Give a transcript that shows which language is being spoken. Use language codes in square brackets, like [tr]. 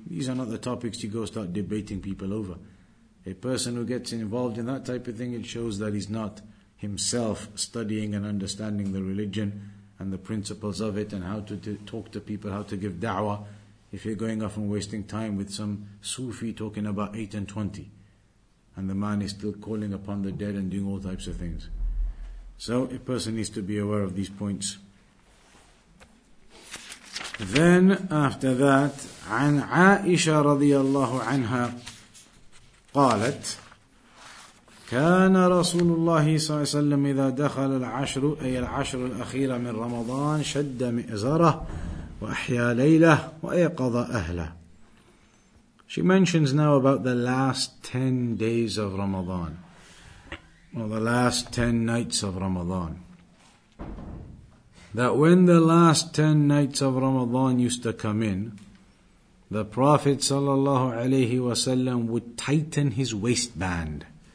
[en] These are not the topics you go start debating people over. A person who gets involved in that type of thing, it shows that he's not himself studying and understanding the religion and the principles of it and how to talk to people, how to give da'wah, if you're going off and wasting time with some Sufi talking about 8 and 20. And the man is still calling upon the dead and doing all types of things. So a person needs to be aware of these points. Then after that, [ar] عن عائشة رضي الله عنها قالت كان رسول الله صلى الله عليه وسلم إذا دخل العشر أي العشر الأخيرة من رمضان شد مئزره وأحيا ليله وأيقظ أهله. [en] She mentions now about the last 10 days of Ramadan, or the last 10 nights of Ramadan. That when the last 10 nights of Ramadan used to come in, the Prophet ﷺ would tighten his waistband.